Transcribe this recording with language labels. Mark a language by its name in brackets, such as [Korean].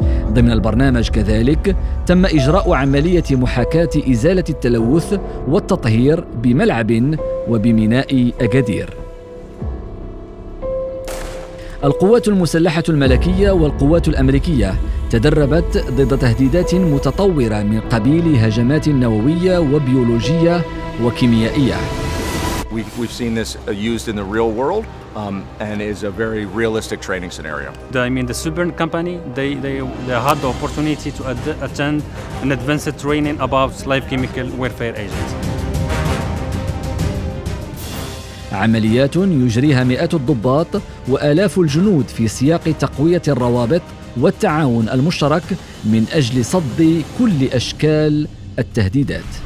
[Arabic] ضمن البرنامج كذلك تم إجراء عملية محاكاة إزالة التلوث والتطهير بملعب وبميناء أكادير. القوات المسلحة الملكية والقوات الأمريكية تدربت ضد تهديدات متطورة من قبيل هجمات نووية وبيولوجية وكيميائية. [English] We've seen this used in the real world and is a very realistic training scenario. The Super Company they had the opportunity to attend an advanced training about live chemical warfare agents. [Arabic] عمليات يجريها مئات الضباط وآلاف الجنود في سياق تقوية الروابط والتعاون المشترك من أجل صد كل أشكال التهديدات.